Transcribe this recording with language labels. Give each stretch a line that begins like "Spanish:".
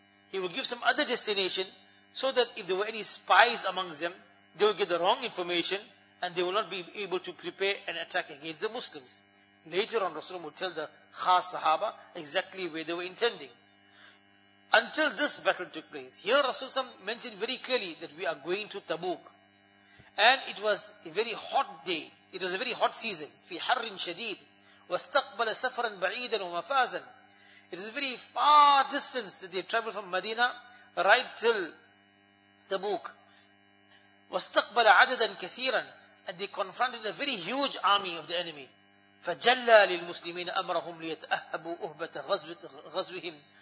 English: He would give some other destination, so that if there were any spies amongst them, they would get the wrong information, and they will not be able to prepare an attack against the Muslims. Later on, Rasulullah would tell the khas sahaba exactly where they were intending. Until this battle took place. Here Rasulullah mentioned very clearly that we are going to Tabuk. And it was a very hot day. It was a very hot season.
Arabic: في حر شديد واستقبل سفرا بعيدا ومفازا.
English: It was a very far distance that they traveled from Medina right till Tabuk.
Arabic: واستقبل عددا كثيرا.
English: And they confronted a very huge army of the enemy.
Arabic: فَجَلَّى لِلْمُسْلِمِينَ أَمْرَهُمْ لِيَتْأَهَبُوا أُهْبَةَ غَزْوِهِمْ.